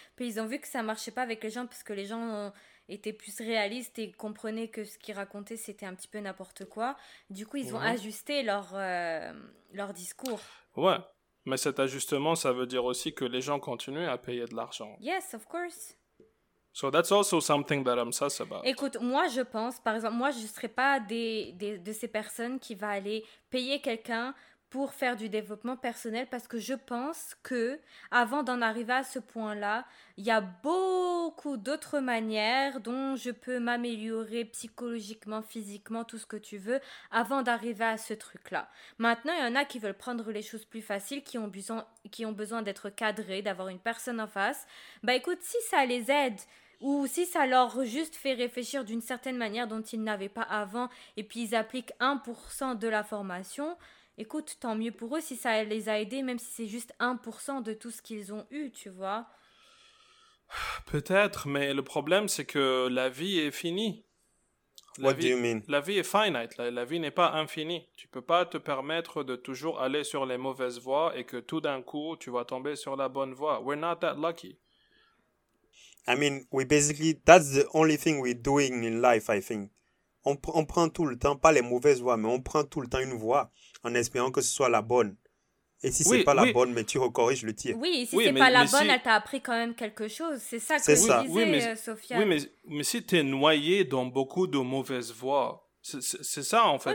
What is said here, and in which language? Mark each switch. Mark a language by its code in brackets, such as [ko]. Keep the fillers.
[fr] Puis ils ont vu que ça marchait pas avec les gens parce que les gens étaient plus réalistes et comprenaient que ce qu'ils racontaient c'était un petit peu n'importe quoi. Du coup, ils ont ouais. ajusté leur, euh, leur discours. Ouais, mais cet ajustement ça veut dire aussi que les gens continuent à payer de l'argent. [en] Yes, of course. So that's also something that I'm sus about. [fr] Écoute, moi je pense, par exemple, moi je ne serais pas des, des, de ces personnes qui va aller payer quelqu'un pour faire du développement personnel parce que je pense que avant d'en arriver à ce point-là, il y a beaucoup d'autres manières dont je peux m'améliorer psychologiquement, physiquement, tout ce que tu veux avant d'arriver à ce truc-là. Maintenant, il y en a qui veulent prendre les choses plus faciles, qui ont besoin qui ont besoin d'être cadrés, d'avoir une personne en face. Bah écoute, si ça les aide ou si ça leur juste fait réfléchir d'une certaine manière dont ils n'avaient pas avant et puis ils appliquent 1% de la formation, écoute, tant mieux pour eux si ça les a aidés, même si c'est juste 1% de tout ce qu'ils ont eu, tu vois. Peut-être, mais le problème, c'est que la vie est finie. [en] La What do you mean? [fr] La vie est finite, la, la vie n'est pas infinie. Tu peux pas te permettre de toujours aller sur les mauvaises voies et que tout d'un coup, tu vas tomber sur la bonne voie. [en] We're not that lucky. I mean, we basically, that's the only thing we're doing in life, I think. [fr] On, pr on prend tout le temps, pas les mauvaises voies, mais on prend tout le temps une voie en espérant que ce soit la bonne. Et si ce oui, c'est pas oui. la bonne, mais tu recorriges je le tir. Oui, et si oui, ce n'est pas la bonne, si... elle t'a appris quand même quelque chose. C'est ça que je Disais, sofia Oui, mais, euh, mais, mais si tu es noyé dans beaucoup de mauvaises voies, c'est, ça en fait.